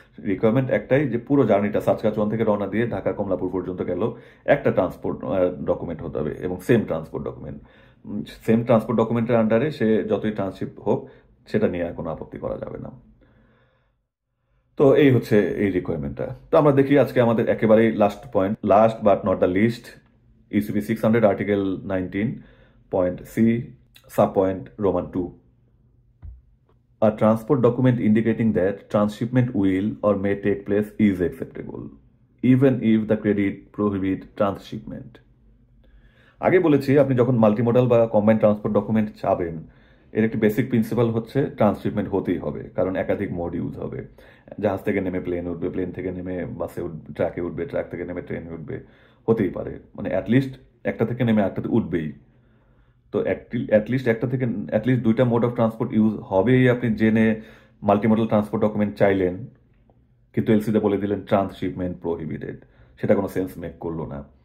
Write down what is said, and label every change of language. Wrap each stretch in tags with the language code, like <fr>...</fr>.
<bn>Requirement একটাই যে পুরো জার্নিটা সাসকাচুয়ান থেকে রওনা দিয়ে ঢাকা কমলাপুর পর্যন্ত গেল, একটা ট্রান্সপোর্ট ডকুমেন্ট হতে হবে এবং same transport document, same transport ডকুমেন্টের আন্ডারে সে যতই ট্রান্সশিপ হোক সেটা নিয়ে কোনো আপত্তি করা যাবে না। তো এই হচ্ছে এই রিকোয়ারমেন্টটা। তো আমরা দেখি আজকে আমাদের একেবারেই last point,</bn> <en>last but not the least,</en> <bn>UCP 600 article 19, point C, sub point Roman 2।</bn> <en>A transport document indicating that transshipment will or may take place is acceptable, even if the credit prohibits transshipment.</en> <bn>আগে বলেছি আপনি যখন multimodal বা combined transport document চাবেন, এর একটি basic principal হচ্ছে transshipment হতেই হবে, কারণ একাধিক মোড ইউজ হবে। জাহাজ থেকে নেমে প্লেন উঠবে, প্লেন থেকে নেমে বাসে উঠবে, ট্র্যাকে উঠবে, ট্র্যাক থেকে নেমে ট্রেনে উঠবে, হতেই পারে। মানে অ্যাটলিস্ট একটা থেকে নেমে একটাতে উঠবেই, তো অ্যাটলিস্ট একটা থেকে অ্যাটলিস্ট দুইটা মোড অফ ট্রান্সপোর্ট ইউজ হবেই আপনি জেনে মাল্টিমোডাল ট্রান্সপোর্ট ডকুমেন্ট চাইলেন, কিন্তু এলসিতে বলে দিলেন ট্রান্সশিপমেন্ট প্রোহিবিটেড, সেটা কোনো সেন্স মেক করলো না।</bn>